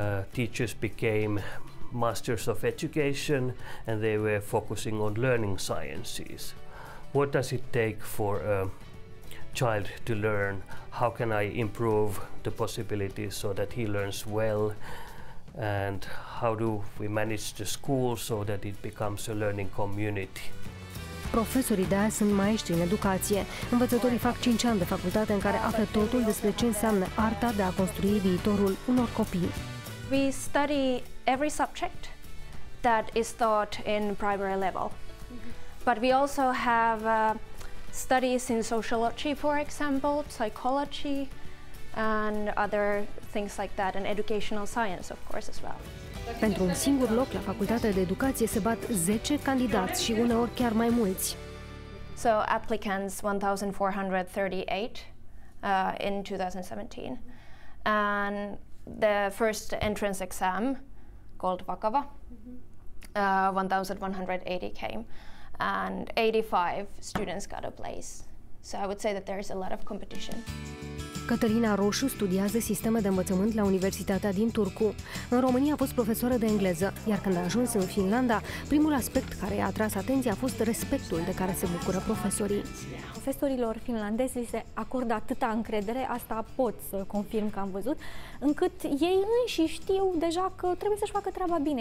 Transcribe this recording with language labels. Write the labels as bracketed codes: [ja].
[en] Teachers became masters of education and they were focusing on learning sciences. What does it take for a child to learn? How can I improve the possibilities so that he learns well? And how do we manage the school so that it becomes a learning community? [ro] Profesorii de azi sunt maestri în educație. Învățătorii fac 5 ani de facultate în care află totul despre ce înseamnă arta de a construi viitorul unor copii. [en] We study every subject that is taught in primary level. But we also have studies in sociology, for example, psychology, and other things like that, and educational science, of course, as well. [ro] Pentru un singur loc la facultatea de educație se bat 10 candidați și uneori chiar mai mulți. [en] So applicants 1,438 in 2017. And the first entrance exam, called Vakava, 1,180 came. And 85 students got a place. So I would say that there is a lot of competition. [ro] Cătălina Roșu studiază sisteme de învățământ la Universitatea din Turku. În România a fost profesoară de engleză, iar când a ajuns în Finlanda, primul aspect care i-a atras atenția a fost respectul de care se bucură profesorii. Profesorilor finlandezi li se acordă atâta încredere, asta pot să confirm că am văzut, încât ei înși știu deja că trebuie să-și facă treaba bine.